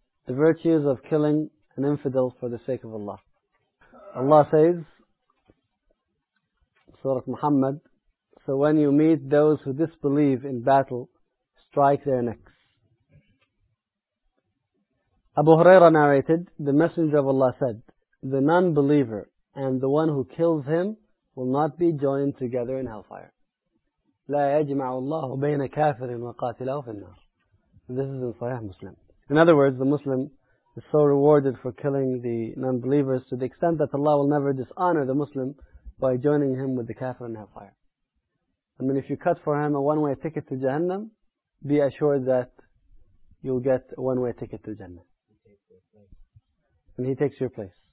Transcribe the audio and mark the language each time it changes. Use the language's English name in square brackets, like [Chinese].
[English] the virtues of killing an infidel for the sake of Allah. Allah says, Surah Muhammad, so when you meet those who disbelieve in battle, strike their necks. Abu Huraira narrated, the Messenger of Allah said, the non-believer and the one who kills him will not be joined together in hellfire. [Arabic] لا يجمع الله بين كافر وقاتله في النار. [English] This is in Sahih Muslim. In other words, the Muslim is so rewarded for killing the non-believers to the extent that Allah will never dishonor the Muslim by joining him with the kafir in hellfire. I mean, if you cut for him a one-way ticket to Jahannam, be assured that you'll get a one-way ticket to Jannah. And he takes your place.